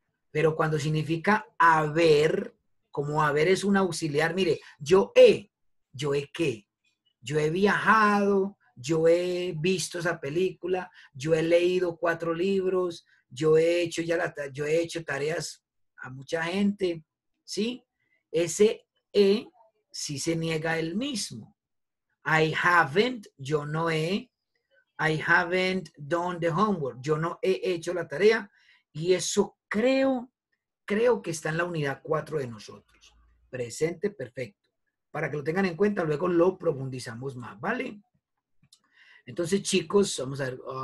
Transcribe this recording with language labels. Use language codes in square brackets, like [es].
[es] Pero cuando significa haber, como haber es un auxiliar, mire, yo he qué, yo he viajado, yo he visto esa película, yo he leído 4 libros, yo he hecho ya yo he hecho tareas a mucha gente, ¿sí? Ese he sí se niega el mismo. [en] I haven't, [es] yo no he. [en] I haven't done the homework. [es] Yo no he hecho la tarea. Y eso creo que está en la unidad 4 de nosotros. Presente, perfecto. Para que lo tengan en cuenta, luego lo profundizamos más, ¿vale? Entonces, chicos, vamos a ver.